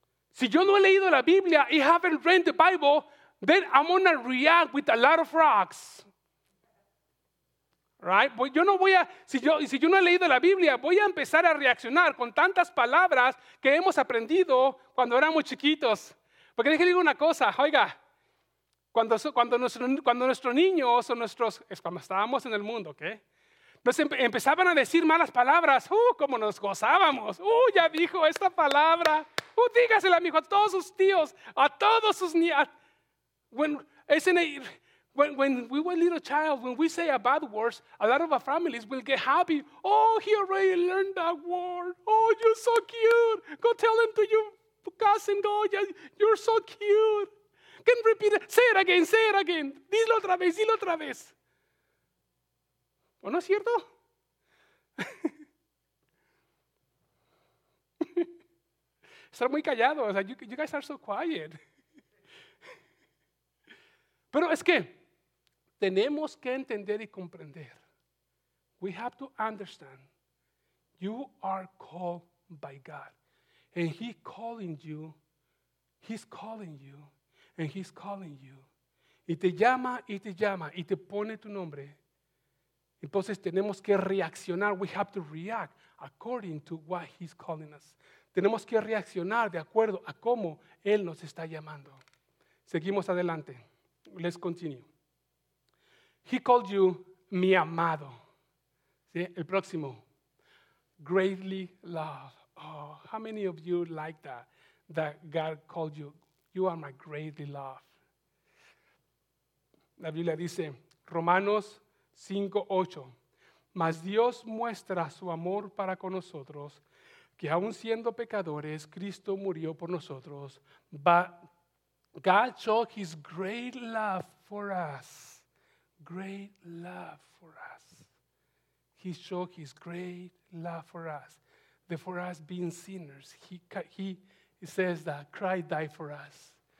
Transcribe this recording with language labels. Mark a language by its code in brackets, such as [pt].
[es] Si yo no he leído la Biblia [en] y haven't read the Bible, then I'm going to react with a lot of frogs. Right? [es] Pues yo no voy a, si yo no he leído la Biblia, voy a empezar a reaccionar con tantas palabras que hemos aprendido cuando éramos chiquitos. Porque déjenme decir una cosa, oiga, cuando nuestros niños o nuestros, es cuando estábamos en el mundo, ¿ok? Nos empezaban a decir malas palabras. ¡Cómo nos gozábamos! Ya dijo esta palabra! Dígasela, mijo, a todos sus tíos, a todos sus nietos. [en] When we were a little child, when we say a bad word, a lot of our families will get happy. Oh, he already learned that word. Oh, you're so cute. Go tell him to your cousin. Go, you're so cute. Can repeat it. Say it again, say it again. [es] Dilo otra vez, dilo otra vez. ¿O no es cierto? Están muy callados. O sea, [en] you guys are so quiet. [es] Pero es que tenemos que entender y comprender. [en] We have to understand. You are called by God. And He's calling you. He's calling you. And He's calling you. [es] Y te llama, y te llama, y te pone tu nombre. Entonces tenemos que reaccionar. [en] We have to react according to what He's calling us. [es] Tenemos que reaccionar de acuerdo a cómo Él nos está llamando. Seguimos adelante. [en] Let's continue. He called you [es] mi amado. ¿Sí? El próximo. [en] Greatly loved. Oh, how many of you like that? That God called you. You are my greatly loved. [es] La Biblia dice, [en] Romanos 5:8. [es] Mas Dios muestra su amor para con nosotros, que aun siendo pecadores, Cristo murió por nosotros. [en] But God showed his great love for us. Great love for us. He showed his great love for us. The for us being sinners. He says that Christ died for us